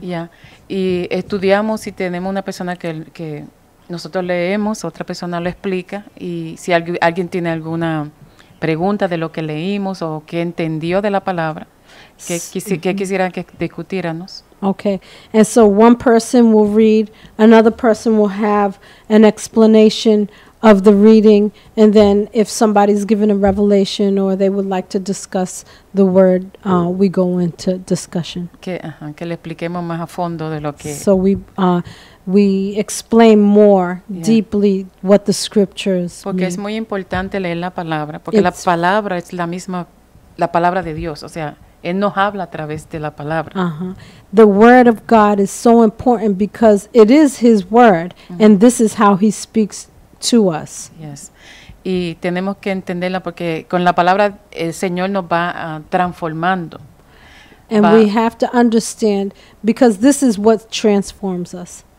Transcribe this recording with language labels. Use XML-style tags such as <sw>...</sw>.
<en>Yeah.</en> <es>Y estudiamos y tenemos una persona que nosotros leemos, otra persona lo explica. Y si alguien tiene alguna pregunta de lo que leímos o qué entendió de la palabra, que quisiera que discutiéramos.</es> <en>Okay. And so one person will read, another person will have an explanation of the reading, and then if somebody's given a revelation or they would like to discuss the word, we go into discussion.</en> <es>Que le expliquemos más a fondo de lo que.</es> <en>So we explain more deeply what the scriptures.</en> <es>Porque</es> <en>mean.</en> <es>Es muy importante leer la palabra, porque it's la palabra es la misma, la palabra de Dios. O sea, Él nos habla a través de la palabra. Uh-huh.</es> <en>The word of God is so important because it is His word, mm-hmm. and this is how He speaks to us. Yes.</en> <es>Y tenemos que entenderla porque con la palabra el Señor nos va transformando.</es> <en>And we have to understand because this is what transforms us.</en>